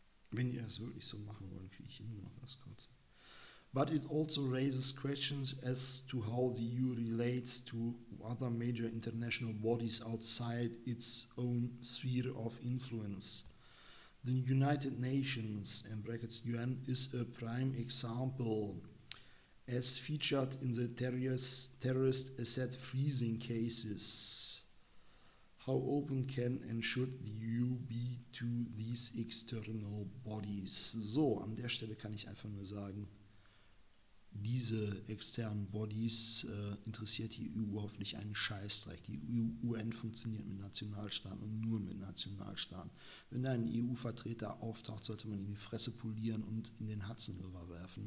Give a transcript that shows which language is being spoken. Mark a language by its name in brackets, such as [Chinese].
[German] Wenn ihr es wirklich so machen wollt, kriege ich immer noch das Kurze. [English] But it also raises questions as to how the EU relates to other major international bodies outside its own sphere of influence. The United Nations, in brackets UN, is a prime example, as featured in the terrorist asset freezing cases. How open can and should the EU be to these external bodies? [German] So, an der Stelle kann ich einfach nur sagen, diese externen Bodies interessiert die EU hoffentlich einen Scheißdreck. Die UN funktioniert mit Nationalstaaten und nur mit Nationalstaaten. Wenn da ein EU-Vertreter auftaucht, sollte man ihm die Fresse polieren und in den Hudson River werfen.